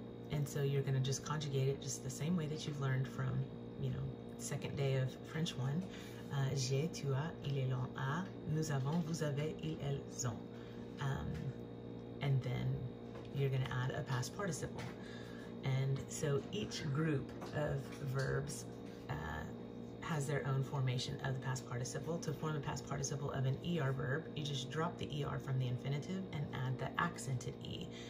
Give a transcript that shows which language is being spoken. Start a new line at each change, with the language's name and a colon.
English: And so you're gonna just conjugate it just the same way that you've learned from, you know, second day of French 1.
French: J'ai, tu as, il est long, a, nous avons, vous avez, ils, elles ont.
English: And then you're gonna add a past participle. And so each group of verbs has their own formation of the past participle. To form a past participle of an ER verb, you just drop the ER from the infinitive and add the accented E.